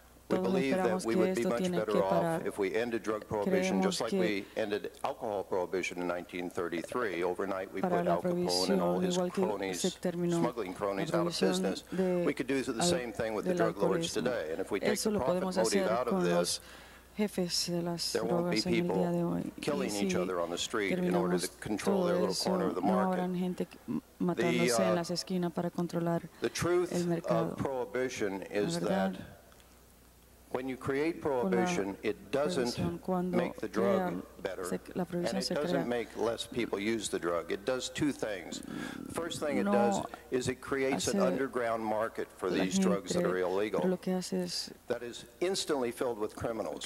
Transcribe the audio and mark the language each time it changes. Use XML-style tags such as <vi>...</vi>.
<en>We believe that we would be much better off if we ended drug prohibition just like we ended alcohol prohibition in 1933. Overnight, we put Al Capone and all his cronies, smuggling cronies, out of business. We could do the same thing with the drug lords today. And if we take the profit motive out of this,</en> <es>jefes de las drogas en el día de hoy.</es> <en>There won't be people killing each other on the street in order to control their little corner of the market.</en> <es>No habrán gente matándose en las esquinas para controlar el mercado.</es> <en>The truth of prohibition is that when you create prohibition, it doesn't make the drug better, and it doesn't make less people use the drug. It does two things. First thing it does is it creates an underground market for these drugs that are illegal that is instantly filled with criminals.</en>